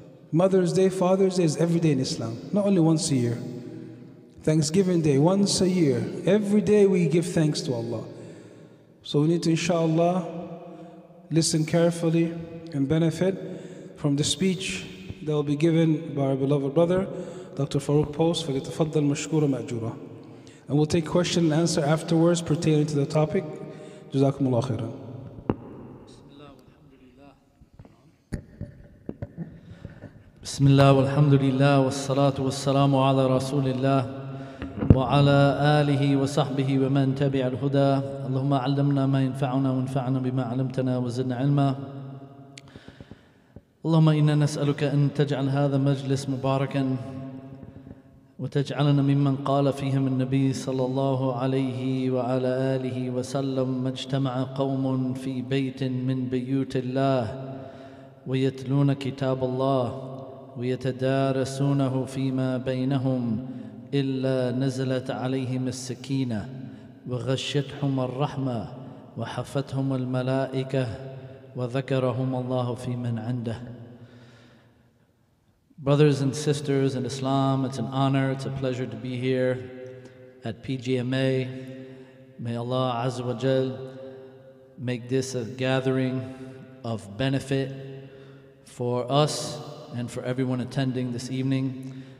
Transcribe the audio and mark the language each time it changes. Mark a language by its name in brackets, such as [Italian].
[English] Mother's Day, Father's Day is every day in Islam. Not only once a year. Thanksgiving Day, once a year. Every day we give thanks to Allah. So we need to, inshallah, listen carefully and benefit from the speech that will be given by our beloved brother, Dr. [Arabic] Faruk Post, فَلِتَفَضَّلْ مَشْكُورَ مَأْجُورَ. [English] And we'll take question and answer afterwards pertaining to the topic. [Arabic] جزاكم الله خيرا. بسم الله والحمد لله والصلاة والسلام على رسول الله وعلى آله وصحبه ومن تبع الهدى. اللهم علمنا ما ينفعنا وانفعنا بما علمتنا وزدنا علما. اللهم إنا نسألك أن تجعل هذا مجلس مباركا وتجعلنا ممن قال فيهم النبي صلى الله عليه وعلى آله وسلم ما اجتمع قوم في بيت من بيوت الله ويتلون كتاب الله ويتدارسونه فيما بينهم إلا نزلت عليهم السكينة وغشتهم الرحمة وحفتهم الملائكة وذكرهم الله في من عنده. [English] Brothers and sisters in Islam, it's an honor, it's a pleasure to be here at PGMA. May Allah Azza wa Jal make this a gathering of benefit for us and for everyone attending this evening.